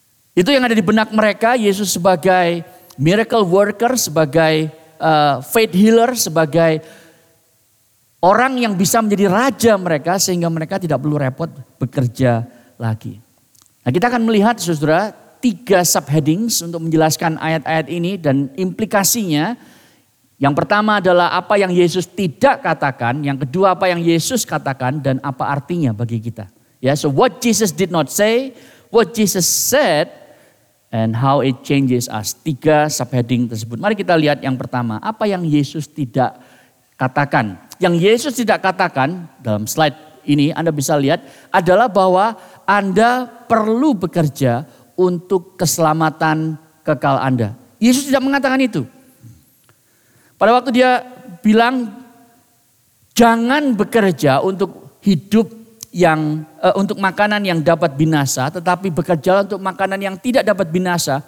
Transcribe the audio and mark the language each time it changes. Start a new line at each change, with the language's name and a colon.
Indonesian: Itu yang ada di benak mereka, Yesus sebagai
English: miracle worker,
Indonesian: sebagai
English: faith healer,
Indonesian: sebagai orang yang bisa menjadi raja mereka sehingga mereka tidak perlu repot bekerja lagi. Nah, kita akan melihat saudara 3 subheadings untuk menjelaskan ayat-ayat ini dan implikasinya. Yang pertama adalah apa yang Yesus tidak katakan, yang kedua apa yang Yesus katakan dan apa artinya bagi kita.
English: Ya, so what Jesus did not say, what Jesus said and how it changes us.
Indonesian: 3 subheading tersebut. Mari kita lihat yang pertama, apa yang Yesus tidak katakan. Yang Yesus tidak katakan dalam slide ini Anda bisa lihat adalah bahwa Anda perlu bekerja untuk keselamatan kekal Anda. Yesus tidak mengatakan itu. Pada waktu dia bilang jangan bekerja untuk hidup yang untuk makanan yang dapat binasa, tetapi bekerjalah untuk makanan yang tidak dapat binasa.